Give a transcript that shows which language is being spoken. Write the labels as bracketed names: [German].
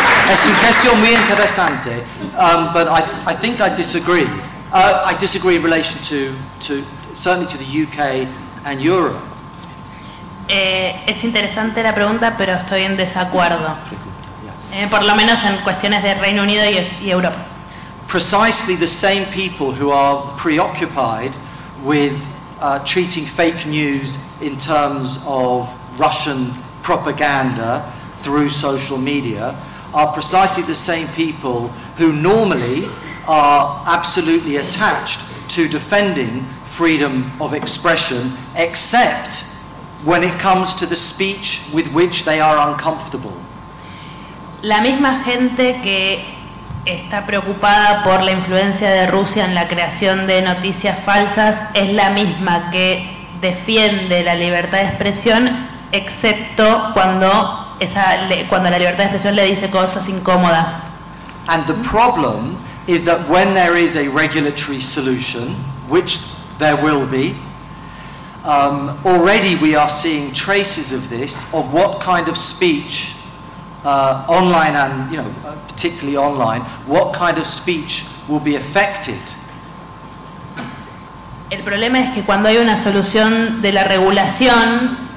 [Spanish] Es una cuestión muy interesante, [English] but I think I disagree. I disagree in relation to certainly to the UK and Europe. [Spanish] Es interesante la pregunta, pero estoy en desacuerdo. Por lo menos en cuestiones de Reino Unido y Europa. [English] Precisely the same people who are preoccupied with treating fake news in terms of Russian propaganda through social media are precisely the same people who normally are absolutely attached to defending freedom of expression, except when it comes to the speech with which they are uncomfortable. [Spanish] La misma gente que está preocupada por la influencia de Rusia en la creación de noticias falsas es la misma que defiende la libertad de expresión, excepto cuando cuando la libertad de expresión le dice cosas incómodas. [English] And the problem is that when there is a regulatory solution, which there will be, already we are seeing traces of this, of what kind of speech online and, you know, particularly online, what kind of speech will be affected. [Spanish] El problema es que cuando hay una solución de la regulación,